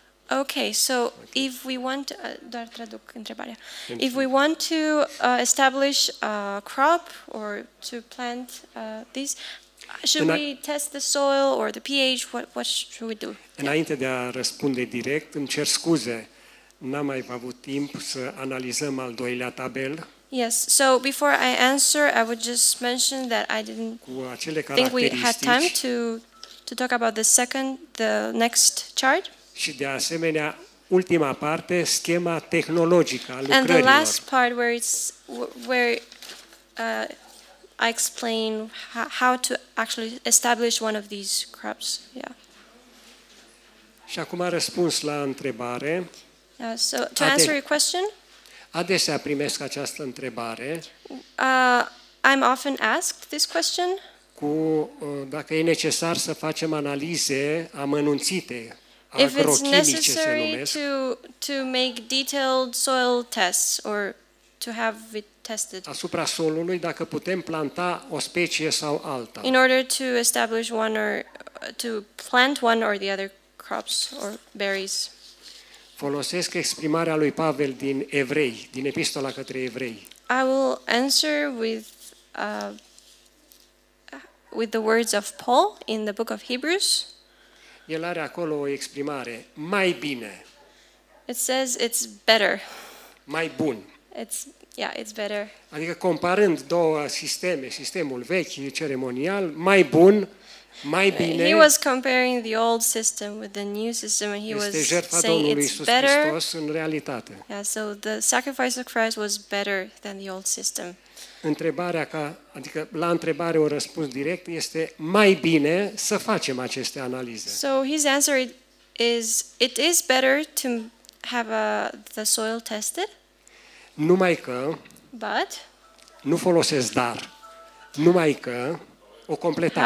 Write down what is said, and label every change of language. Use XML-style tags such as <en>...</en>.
<en>Okay, so if we want</en> <ro>doar traduc întrebarea.</ro> <en>If we want to establish a crop or to plant these, should we test the soil or the pH? What should we do?</en> <ro>Înainte de a răspunde direct, îmi cer scuze. N-am mai avut timp să analizăm al doilea tabel.</ro> <en>Yes, so before I answer, I would just mention that I didn't think we had time to talk about the second, the next chart.</en> <ro>Și de asemenea, ultima parte, schema tehnologică a lucrărilor.</ro> <en>And the last part where I explain how to actually establish one of these crops. Yeah.</en> <ro>Și acum răspuns la întrebare.</ro> <en>So to answer your question.</en> <ro>Adesea primesc această întrebare.</ro> <en>I'm often asked this question.</en> <ro>Cu dacă e necesar să facem analize amănunțite agrochimice, se numesc.</ro> <en>To make detailed soil tests or to have it tested.</en> <ro>Asupra solului, dacă putem planta o specie sau alta.</ro> <en>In order to establish one or to plant one or the other crops or berries.</en> <ro>Folosesc exprimarea lui Pavel din Evrei, din Epistola către Evrei.</ro> <en>I will answer with the words of Paul in the book of Hebrews.</en> <ro>El are acolo o exprimare, mai bine.</ro> <en>It says it's better.</en> <ro>Mai bun.</ro> <en>It's better.</en> <ro>Adică comparând două sisteme, sistemul vechi ceremonial, mai bun. Mai bine.</ro> <en>He was comparing the old system with the new system and he was saying it's better.</en> <ro>În realitate.</ro> <en>Yeah, so the sacrifice of Christ was better than the old system.</en> <ro>Întrebarea ca, adică la întrebare o răspuns direct este mai bine să facem aceste analize.</ro> <en>So his answer it is better to have the soil tested.</en> <ro>Numai că</ro> <en>but</en> <ro>nu folosesc dar. Numai că o completare.</ro>